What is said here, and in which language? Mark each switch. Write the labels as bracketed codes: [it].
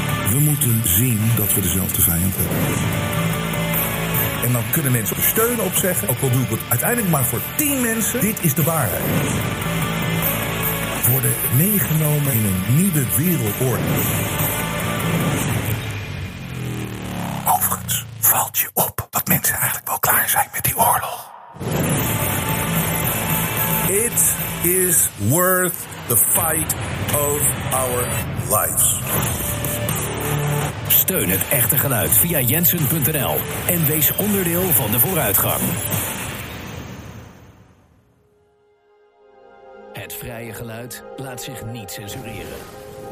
[nl] We moeten zien dat we dezelfde vijand hebben. En dan kunnen mensen steun opzeggen, ook al doe ik het uiteindelijk maar voor 10 mensen. Dit is de waarheid. Worden meegenomen in een nieuwe wereldorde. Overigens valt je op dat mensen eigenlijk wel klaar zijn met die oorlog. [en] It is worth the fight of our lives. [nl] Steun het echte geluid via jensen.nl en wees onderdeel van de vooruitgang. Het vrije geluid laat zich niet censureren.